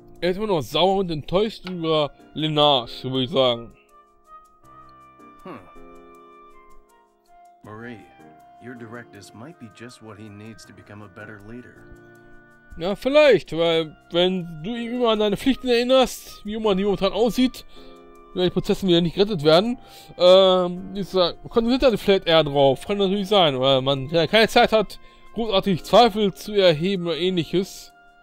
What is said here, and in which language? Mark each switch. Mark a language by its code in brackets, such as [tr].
[de] Er ist immer noch sauer und enttäuscht über Lenarch, würde ich sagen. [en] Marie, your directness might be just what he needs to become a better leader. [de] Ja, vielleicht, weil wenn du ihn immer an deine Pflichten erinnerst, wie immer die momentan aussieht, wenn die Prozesse wieder nicht gerettet werden, konzentriert er sich vielleicht eher drauf. Kann natürlich sein, weil man ja keine Zeit hat, großartig Zweifel zu erheben oder ähnliches.